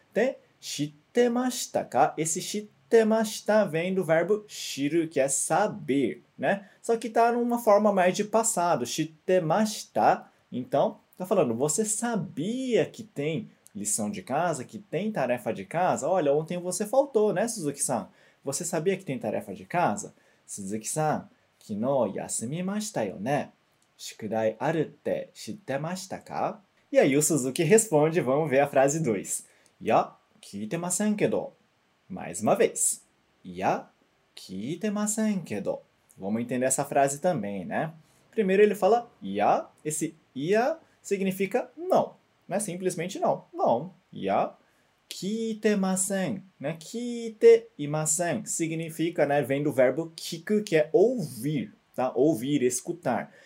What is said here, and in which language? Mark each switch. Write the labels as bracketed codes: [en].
[ja] Te shitemashita ka? [pt] Esse shitemashita vem do verbo shiru, que é saber, né? Só que tá numa forma mais de passado, shitemashita, então... Tá falando, você sabia que tem lição de casa, que tem tarefa de casa? Olha, ontem você faltou, né, Suzuki-san? Você sabia que tem tarefa de casa? [ja] Suzuki-san, 昨日休みましたよね。宿題あるって知ってましたか? [pt] E aí o Suzuki responde, vamos ver a frase 2. [ja] Ya, 聞いてませんけど. [pt] Mais uma vez. [ja] Ya, 聞いてませんけど. [pt] Vamos entender essa frase também, né? Primeiro ele fala, ya, esse ya...significa não, né? Simplesmente não. Não. Ya Kiitemasen, né? Kiitemasen significa, né? Vem do verbo kiku, que é ouvir, tá? Ouvir, escutar.